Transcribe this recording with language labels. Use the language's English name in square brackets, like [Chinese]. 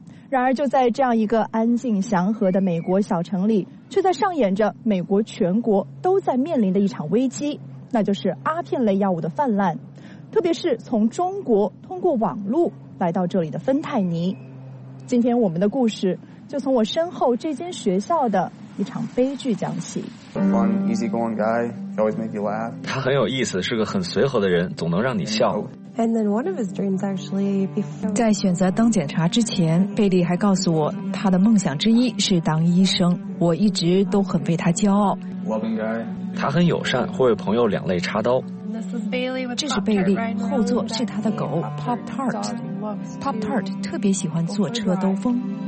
[Chinese] 然而就在这样一个安静祥和的美国小城里，却在上演着美国全国都在面临的一场危机，那就是阿片类药物的泛滥，特别是从中国通过网路来到这里的芬太尼。今天我们的故事就从我身后这间学校的一场悲剧讲起。 [English] Fun, easygoing guy, always make you laugh. [Chinese] 他很有意思，是个很随和的人，总能让你笑。 [English] And then one of his dreams actually, before... [Chinese] 在选择当检察之前，贝利还告诉我，他的梦想之一是当医生。我一直都很为他骄傲。 [English] Loving guy. [Chinese] 他很友善，会为朋友两肋插刀。这是贝利，后座是他的狗 Pop Tart。 Pop Tart 特别喜欢坐车兜风。